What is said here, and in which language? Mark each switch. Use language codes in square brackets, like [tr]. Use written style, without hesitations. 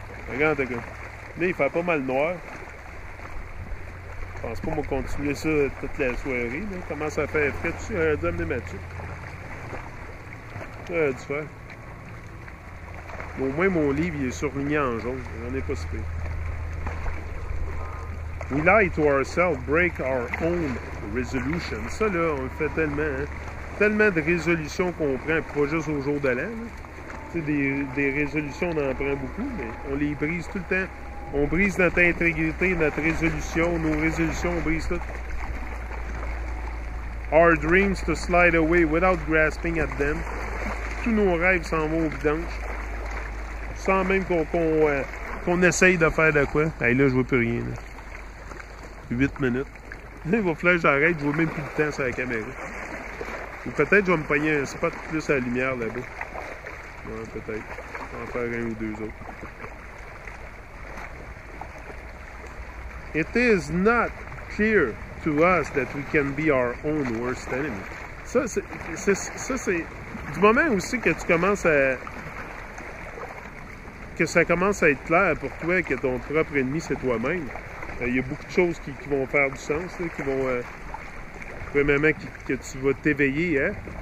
[fr] Regarde, gars. Là, il fait pas mal noir. Je pense pas qu'on va continuer ça toute la soirée. Là. Comment ça fait frais? Tu aurais dû amener Mathieu. Tu aurais dû faire. Mais au moins, mon livre il est surligné en jaune. J'en ai pas si pire. [en] We lie to ourselves, break our own resolution. [fr] Ça, là, on le fait tellement. Hein? Tellement de résolutions qu'on prend, pas juste au jour de l'an. Des résolutions, on en prend beaucoup, mais on les brise tout le temps. On brise notre intégrité, notre résolution, nos résolutions, on brise tout. [en] Our dreams to slide away without grasping at them. [fr] Tous nos rêves s'en vont au vidange. Sans même qu'on essaye de faire de quoi. Hey, là, je vois plus rien. Là. 8 minutes. Il va falloir que j'arrête, je vois même plus de temps sur la caméra. Ou peut-être que je vais me pogner un spot plus à la lumière là-bas. Ouais, peut-être. Je vais en faire un ou deux autres. [en] It is not clear to us that we can be our own worst enemy. [fr] Ça, c'est du moment aussi que tu commences à. Que ça commence à être clair pour toi que ton propre ennemi, c'est toi-même. Il y a beaucoup de choses qui vont faire du sens, là, qui vont. Premièrement, que tu vas t'éveiller, hein.